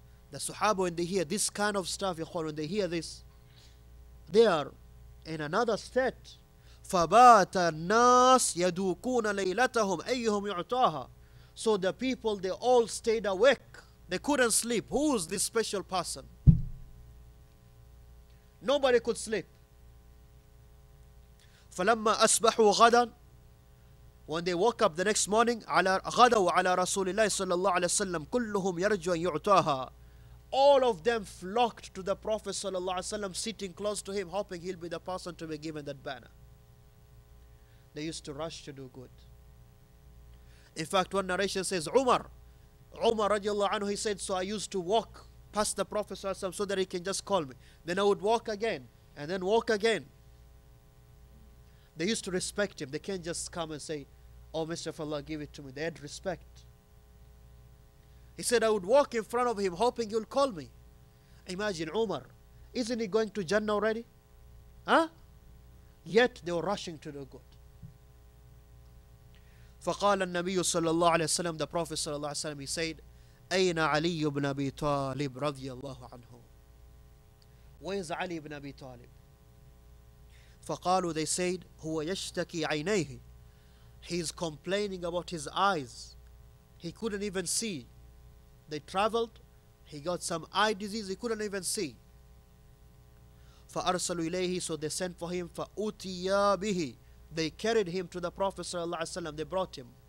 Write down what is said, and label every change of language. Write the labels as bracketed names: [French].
[English] The Sahaba, when they hear this kind of stuff, when they hear this, they are in another state. [Arabic] فَبَاتَ النَّاسِ يَدُوكُونَ لَيْلَتَهُمْ أَيُّهُمْ يُعْتَاهَا. [English] So the people, they all stayed awake. They couldn't sleep. Who is this special person? Nobody could sleep. [Arabic] فَلَمَّا أَصْبَحُوا غَدًا, [English] when they woke up the next morning, [Arabic] غَدَوْا عَلَى رَسُولِ اللَّهِ صَلَّى اللَّهُ عَلَيْهِ وَسَلَّمَ كُلُّهُمْ يَرْجُوا أَنْ يُعْتَاهَا. [English] All of them flocked to the Prophet sallallahu alaihi wasallam, sitting close to him, hoping he'll be the person to be given that banner. They used to rush to do good. In fact, one narration says, Umar radiallahu anhu, he said, so I used to walk past the Prophet sallallahu alaihi wasallam so that he can just call me. Then I would walk again, and then walk again. They used to respect him. They can't just come and say, oh, Messenger of Allah, give it to me. They had respect. He said, I would walk in front of him hoping he'll call me. Imagine Umar. Isn't he going to Jannah already? Huh? Yet they were rushing to do good. [Arabic] فقال النبي صلى الله عليه وسلم, [English] the Prophet [Arabic] صلى الله عليه وسلم, [English] he said, [Arabic] أين علي بن أبي طالب رضي الله عنه? [English] Where is Ali ibn Abi Talib? [Arabic] فقالوا, [English] they said, [Arabic] هو يشتكي عينيه. [English] He's complaining about his eyes. He couldn't even see. They traveled, he got some eye disease, he couldn't even see. [Arabic] فَأَرْسَلُوا إِلَيْهِ, [English] so they sent for him. [Arabic] فَأُتِيَا بِهِ, [English] they carried him to the Prophet ﷺ, they brought him.